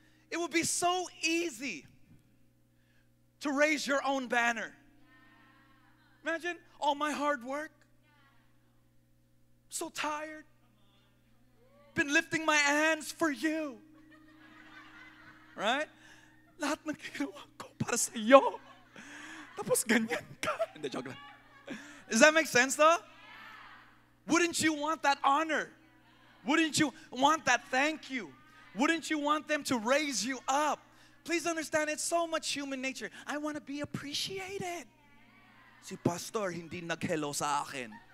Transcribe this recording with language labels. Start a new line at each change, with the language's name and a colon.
English: It would be so easy to raise your own banner. Imagine all my hard work, so tired, been lifting my hands for you, right?
Filipino: Lahat ng ginawa ko para sa iyo, tapos ganyan ka. Hindi, joke lang.
English: Does that make sense though? Wouldn't you want that honor? Wouldn't you want that thank you? Wouldn't you want them to raise you up? Please understand, it's so much human nature. I want to be appreciated.
Filipino: Si pastor hindi nag-hello sa akin.